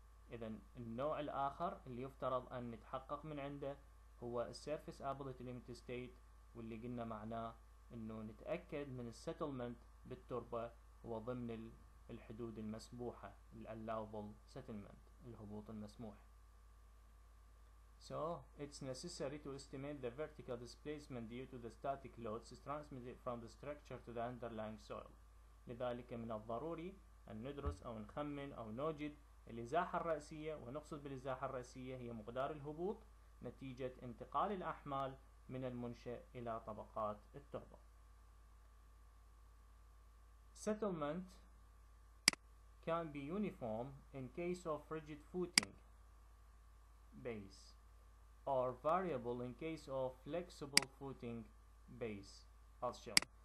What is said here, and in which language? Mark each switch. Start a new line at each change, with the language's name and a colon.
Arabic: إذا النوع الآخر اللي يفترض أن نتحقق من عنده هو Serviceability Limit State، واللي قلنا معناه إنه نتأكد من Settlement بالتربة وضمن الحدود المسموحة Allowable Settlement، الهبوط المسموح.
English: So it's necessary to estimate the vertical displacement due to the static loads transmitted from the structure to the underlying soil.
Arabic: لذلك من الضروري أن ندرس أو نخمن أو نوجد الإزاحة الرأسية، ونقصد بالإزاحة الرأسية هي مقدار الهبوط نتيجة انتقال الأحمال من المنشأ إلى طبقات التربة.
English: Settlement can be uniform in case of rigid footing base or variable in case of flexible footing base as shown.